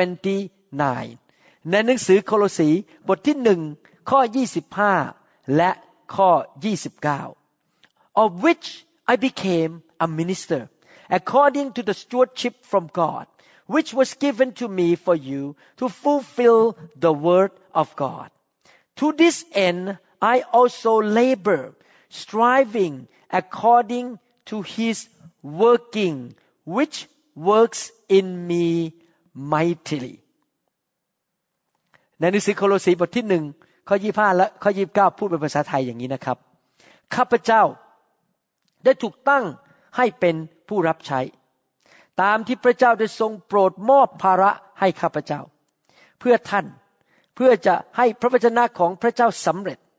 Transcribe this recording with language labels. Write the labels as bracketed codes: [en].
[en] 29 [th] ในหนังสือโคโลสีบทที่1ข้อ25และข้อ29 [en] of whichI became a minister according to the stewardship from God, which was given to me for you to fulfill the word of God. To this end, I also labor, striving according to his working, which works in me mightily. [th] ในหนังสือโคโลสีบทที่1ข้อ25และข้อ29พูดเป็นภาษาไทยอย่างนี้นะครับข้าพเจ้าได้ถูกตั้งให้เป็นผู้รับใช้ ตามที่พระเจ้าได้ทรงโปรดมอบภาระให้ข้าพเจ้าเพื่อท่านเพื่อจะให้พระวจนะของพระเจ้าสำเร็จ